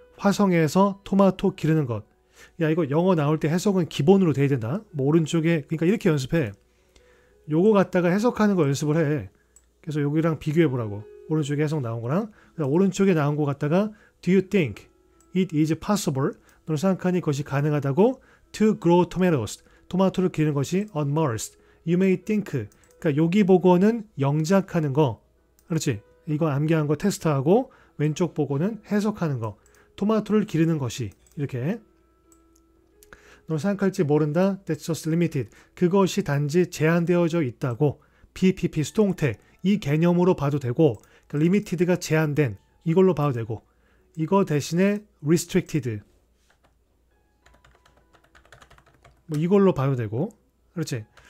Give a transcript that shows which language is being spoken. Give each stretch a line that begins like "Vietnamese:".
Korean: 화성에서 토마토 기르는 것. 야 이거 영어 나올 때 해석은 기본으로 돼야 된다. 뭐 오른쪽에 그러니까 이렇게 연습해. 요거 갖다가 해석하는 거 연습을 해. 그래서 여기랑 비교해 보라고. 오른쪽에 해석 나온 거랑 오른쪽에 나온 거 갖다가
English: Do you think it is possible?
Korean: 너는 생각하니 그것이 가능하다고?
English: To grow tomatoes
Korean: 토마토를 기르는 것이
English: on Mars. You may think.
Korean: 그러니까 여기 보고는 영작하는 거, 그렇지? 이거 암기한 거 테스트하고 왼쪽 보고는 해석하는 거, 토마토를 기르는 것이 이렇게. 너 생각할지 모른다.
English: That's just limited.
Korean: 그것이 단지 제한되어져 있다고. PPP 수동태 이 개념으로 봐도 되고, 그러니까 limited가 제한된 이걸로 봐도 되고, 이거 대신에 restricted 뭐 이걸로 봐도 되고, 그렇지?